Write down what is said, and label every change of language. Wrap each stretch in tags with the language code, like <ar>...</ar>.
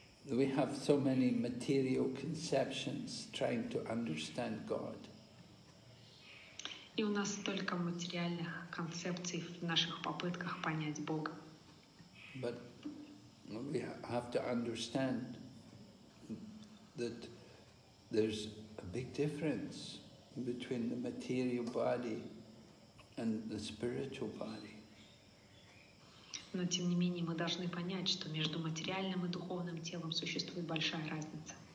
<en>We have so many material conceptions trying to understand God.</en> <ru>И у нас столько материальных концепций в наших попытках понять Бога.</ru> <en>But we have to understand that there's a big difference between the material body and the spiritual body.</en> <ru>Но тем не менее мы должны понять, что между материальным и духовным телом существует большая разница.</ru>